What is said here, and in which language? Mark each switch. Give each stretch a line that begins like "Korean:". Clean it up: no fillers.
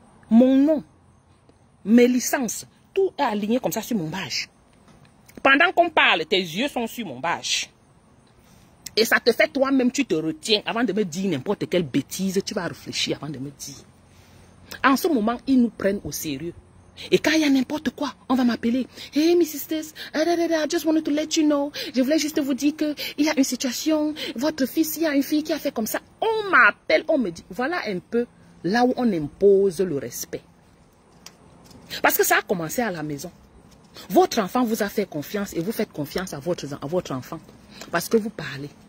French: Mon nom, mes licences, tout est aligné comme ça sur mon badge. Pendant qu'on parle, tes yeux sont sur mon badge. Et ça te fait toi-même, tu te retiens avant de me dire n'importe quelle bêtise, tu vas réfléchir avant de me dire. En ce moment, ils nous prennent au sérieux. Et quand il y a n'importe quoi, on va m'appeler.
English: Hey, Miss Sisters, I just wanted to let you know.
French: Je voulais juste vous dire qu'il y a une situation, votre fils, il y a une fille qui a fait comme ça. On m'appelle, on me dit. Voilà un peu là où on impose le respect. Parce que ça a commencé à la maison. Votre enfant vous a fait confiance et vous faites confiance à votre enfant. Parce que vous parlez.